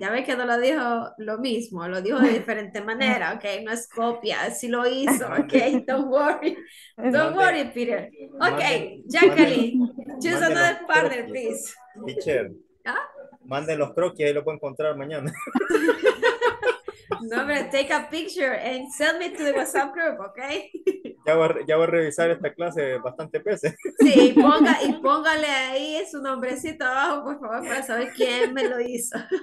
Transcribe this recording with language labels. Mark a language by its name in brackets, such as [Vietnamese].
[Spanish] Ya ve que no lo dijo lo mismo, lo dijo de diferente manera, okay? No es copia, sí lo hizo, okay? [English] Don't worry, [Spanish] Peter. [English] Okay, Jacqueline, choose another partner, please. [Spanish] Michelle, manden los croquis, ahí lo puedo encontrar mañana. No, hombre, [English] take a picture and send me to the WhatsApp group, okay? [Spanish] Ya voy a revisar esta clase bastante veces. Sí, y póngale ahí su nombrecito abajo, por favor, para saber quién me lo hizo.